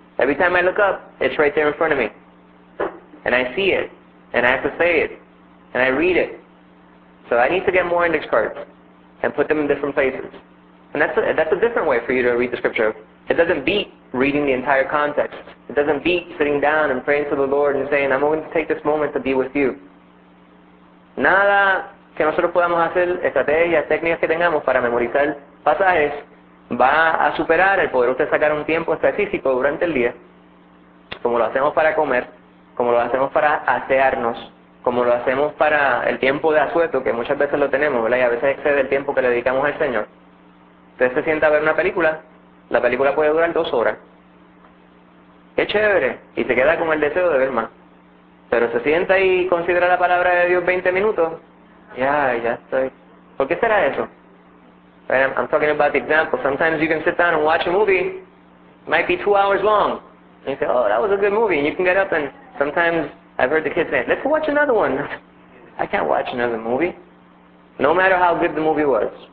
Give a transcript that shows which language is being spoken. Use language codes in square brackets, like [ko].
[en] Every time I look up, it's right there in front of me. And I see it, and I have to say it, and I read it. So I need to get more index cards and put them in different places. And that's a different way for you to read the scripture. It doesn't beat reading the entire context. It doesn't beat sitting down and praying to the Lord and saying, I'm going to take this moment to be with you. [es] Nada que nosotros podamos hacer, estrategias, técnicas que tengamos para memorizar pasajes, va a superar el poder usted sacar un tiempo específico durante el día, como lo hacemos para comer, como lo hacemos para asearnos, como lo hacemos para el tiempo de asueto, que muchas veces lo tenemos, ¿verdad? Y a veces excede el tiempo que le dedicamos al Señor. Usted se sienta a ver una película, la película puede durar 2 horas. ¡Qué chévere! Y se queda con el deseo de ver más. Pero se sienta y considera la palabra de Dios 20 minutos, ya estoy. ¿Por qué será eso? [en] I'm talking about the example. Sometimes you can sit down and watch a movie, might be 2 hours long. And you say, oh, that was a good movie. And you can get up and sometimes I've heard the kids say, let's watch another one. I can't watch another movie. No matter how good the movie was.